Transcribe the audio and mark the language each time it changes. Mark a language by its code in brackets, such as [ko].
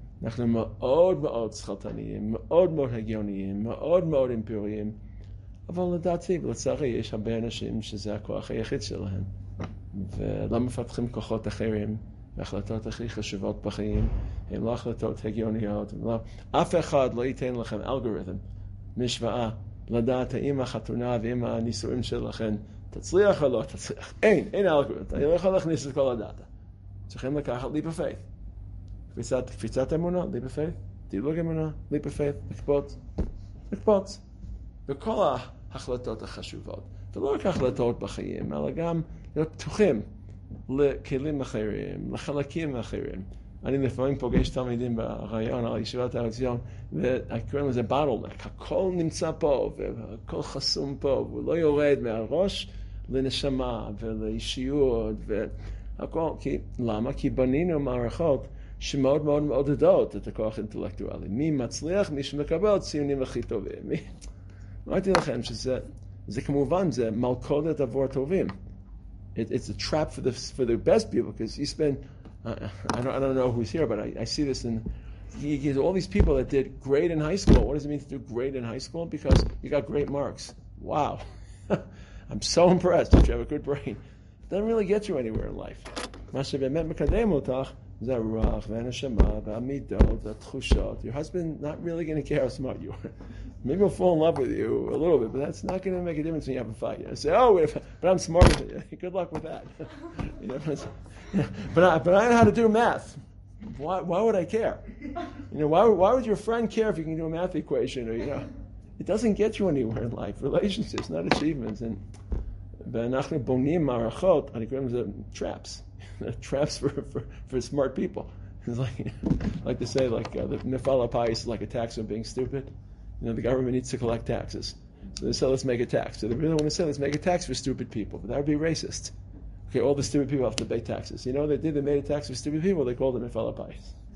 [he] אנחנו מאוד מאוד שחלטניים, מאוד מאוד הגיוניים, מאוד מאוד אימפיריים, אבל לדעתי, לצערי, יש הרבה אנשים שזה הכוח היחיד שלהם, ולא מפתחים כוחות אחרים, והחלטות הכי חשובות בחיים, הן לא החלטות הגיוניות, לא, אף אחד לא ייתן לכם אלגוריתם, משוואה, לדעת האם החתונה ואם הנישואים שלכם תצליח או לא תצליח. אין אלגוריתם. אני לא יכול להכניס את כל הדאטה. צריכים לקחת [en] leap of faith. [he] קפיצת אמונה, leap of faith. דילוג אמונה, [en] leap of faith. [he] לקפוץ. וכל ההחלטות החשובות. ולא רק החלטות בחיים, אלא גם להיות פתוחים לכלים אחרים, לחלקים אחרים. אני לפעמים פוגש תלמידים ברעיון על ישיבת הרציון, וקוראים לזה bottleneck. הכל נמצא פה, והכל חסום פה, והוא לא יורד מהראש לנשמה ולאישיות, והכל, כי, למה? כי בנינו מערכות שמאוד מאוד מעודדות את הכוח האינטלקטואלי. מי מצליח? מי שמקבל ציונים הכי טובים. אמרתי לכם שזה, זה כמובן, זה מלכודת עבור הטובים. [en] It's a trap for the best people, because you spend... I don't know who's here, but I see this in all these people that did great in high school. What does it mean to do great in high school? Because you got great marks. Wow. I'm so impressed if you have a good brain. It doesn't really get you anywhere in life. [he] מה שבאמת מקדם אותך זה הרוח והנשמה והמידות והתחושות. [en] Your husband not really going to care how smart you are. Maybe he'll fall in love with you a little bit, but that's not going to make a difference when you have a fight. You say, oh, but I'm smarter than you. Good luck with that. You know, but I know how to do math. Why would I care? You know, why would your friend care if you can do a math equation? Or, you know, it doesn't get you anywhere in life. Relationships, not achievements. [he] And ואנחנו בונים מערכות, אני קוראים לזה traps. [en] Traps for smart people. like they say, like the Mefala Pais is like a tax on being stupid. You know, the government needs to collect taxes. So they say, let's make a tax. So they really want to say, let's make a tax for stupid people. But that would be racist. Okay, all the stupid people have to pay taxes. You know what they did? They made a tax for stupid people. They called it Mefala Pais.